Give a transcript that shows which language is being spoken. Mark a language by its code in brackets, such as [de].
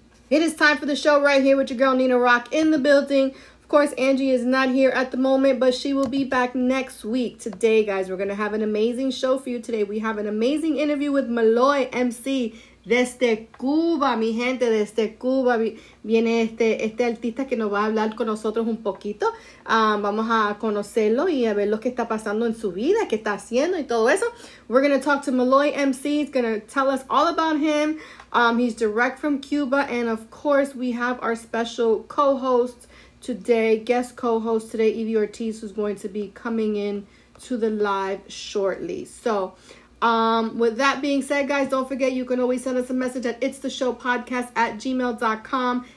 [en] It is time for the show right here with your girl Nina Rock in the building. Of course, Angie is not here at the moment, but she will be back next week. Today, guys, we're going to have an amazing show for you today. We have an amazing interview with Maloy MC. [es] Desde Cuba, mi gente, desde Cuba viene este artista que nos va a hablar con nosotros un poquito. Vamos a conocerlo y a ver lo que está pasando en su vida, qué está haciendo y todo eso. [en] We're going to talk to Maloy MC. He's going to tell us all about him. He's direct from Cuba. And of course, we have our special co-host today, guest co-host today, Evie Ortiz, who's going to be coming in to the live shortly. So, with that being said, guys, don't forget, you can always send us a message at itsthe show podcast@gmail.com.